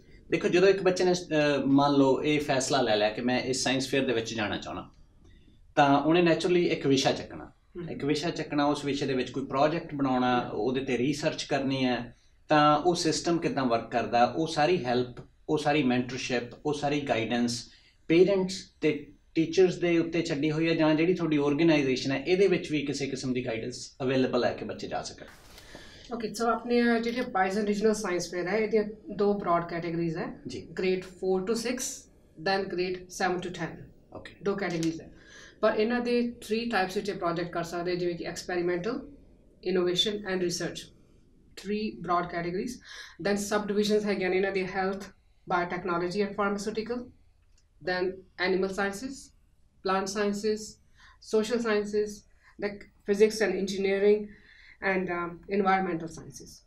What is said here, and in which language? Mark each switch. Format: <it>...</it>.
<pa>ਦੇਖੋ, ਜਦੋਂ ਇੱਕ ਬੱਚੇ ਨੇ ਮੰਨ ਲਓ ਇਹ ਫੈਸਲਾ ਲੈ ਲਿਆ ਕਿ ਮੈਂ ਇਸ ਸਾਇੰਸ ਫੇਅਰ ਦੇ ਵਿੱਚ ਜਾਣਾ ਚਾਹੁੰਦਾ, ਤਾਂ ਉਹਨੇ ਨੈਚੁਰਲੀ ਇੱਕ ਵਿਸ਼ਾ ਚੱਕਣਾ, ਇੱਕ ਵਿਸ਼ਾ ਚੱਕਣਾ, ਉਸ ਵਿਸ਼ੇ ਦੇ ਵਿੱਚ ਕੋਈ ਪ੍ਰੋਜੈਕਟ ਬਣਾਉਣਾ, ਉਹਦੇ 'ਤੇ ਰੀਸਰਚ ਕਰਨੀ ਹੈ, ਤਾਂ ਉਹ ਸਿਸਟਮ ਕਿੱਦਾਂ ਵਰਕ ਕਰਦਾ, ਉਹ ਸਾਰੀ ਹੈਲਪ, ਉਹ ਸਾਰੀ ਮੈਂਟਰਸ਼ਿਪ, ਉਹ ਸਾਰੀ ਗਾਈਡੈਂਸ ਪੇਰੈਂਟਸ ਅਤੇ ਟੀਚਰਸ ਦੇ ਉੱਤੇ ਛੱਡੀ ਹੋਈ ਹੈ, ਜਾਂ ਜਿਹੜੀ ਤੁਹਾਡੀ ਔਰਗਨਾਈਜੇਸ਼ਨ ਹੈ ਇਹਦੇ ਵਿੱਚ ਵੀ ਕਿਸੇ ਕਿਸਮ ਦੀ ਗਾਈਡੈਂਸ ਅਵੇਲੇਬਲ ਹੈ ਕਿ ਬੱਚੇ ਜਾ ਸਕਣ? ਓਕੇ, ਸੋ ਆਪਣੇ ਜਿਹੜੇ ਬਾਈਜ਼ਨ ਰੀਜਨਲ ਸਾਇੰਸ ਫੇਅਰ ਹੈ, ਇਹਦੀਆਂ ਦੋ ਬਰੋਡ ਕੈਟੇਗਰੀਜ਼ ਹੈ ਜੀ,</pa> <en>Grade 4 to 6 then Grade 7 to 10। Okay,</en> <pa>ਦੋ ਕੈਟੇਗਰੀਜ਼ ਹੈ, ਪਰ ਇਹਨਾਂ ਦੇ 3 ਟਾਈਪਸ ਵਿੱਚ ਪ੍ਰੋਜੈਕਟ ਕਰ ਸਕਦੇ, ਜਿਵੇਂ ਕਿ experimental,</pa> <en>innovation and research, three broad categories. Then subdivisions</en> <pa>hai gyan ina di</pa> <en>health, biotechnology and pharmaceutical. Then animal sciences, plant sciences, social sciences, like physics and engineering, and environmental sciences.</en>